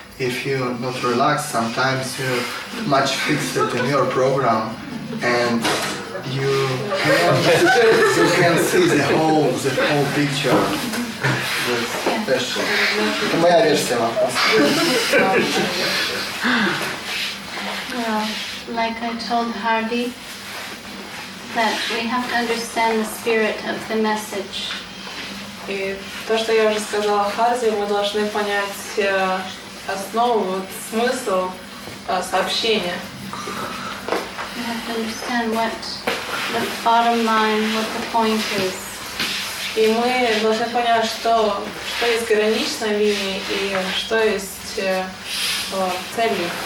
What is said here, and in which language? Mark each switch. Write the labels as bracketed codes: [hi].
[en] If you not relax, sometimes you much fix it in your program, and you can see the whole picture. [ru] Это моя версия вопроса. [en] Like I told Hardy, that we have to understand the spirit of the message. [ru] И то, что я уже сказала Харди, мы должны понять основу, вот, смысл сообщения. [en] We have to understand what the bottom line, what the point is. [ru] И мы должны понять, что есть граничная линия и что есть цель.